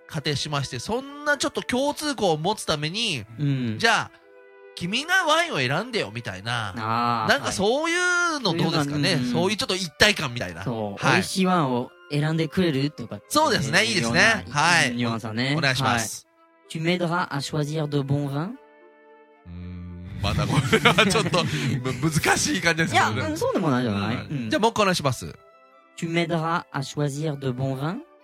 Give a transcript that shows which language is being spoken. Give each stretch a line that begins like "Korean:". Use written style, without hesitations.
Japanese: 仮定しましてそんなちょっと共通項を持つために、うん、じゃあ君がワインを選んでよみたいな、あなんかそういうのどうですかね、そういう、うん、そういうちょっと一体感みたいな、そう、はい、美味しいワインを選んでくれるとか、そうですね、いいですね、はい、ニュアンスはね、お願いします、はい、
French: Tu m'aideras à choisir de bon vin?
Japanese: まだこれはちょっと難しい感じですけどね、いや、そうでもないじゃない、うん、じゃあもう一回お願いします、
French: Tu m'aideras à choisir de bon vin?